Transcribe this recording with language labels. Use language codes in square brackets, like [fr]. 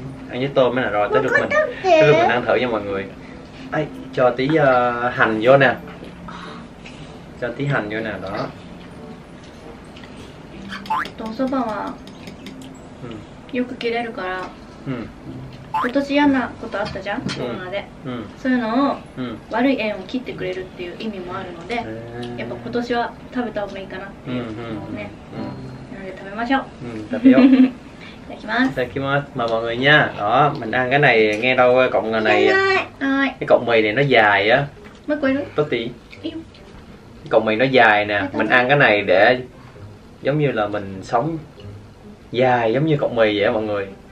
[vi] Ăn với tôm mới là rồi. Tới lúc mình. Tới lúc mình ăn thử nha mọi người. Ây, cho tí hành vô nè. [ja] じゃあ、ティハンにようなのとお蕎麦は、うん、よく切れるから、うん、今年嫌なことあったじゃん、コロナで、うん、そういうのを、うん、悪い縁を切ってくれるっていう意味もあるのでやっぱ今年は食べた方がいいかなっていうのをね、うん、なので食べましょう、うん、食べよういただきますいただきます、まあ、 [vi] mọi người nha đó, mình ăn cái này, nghe đâu cọng này cái cọng mì này nó dài á mới quay được tốt tí cọng mì nó dài nè, mình ăn cái này để giống như là mình sống dài giống như cọng mì vậy mọi người.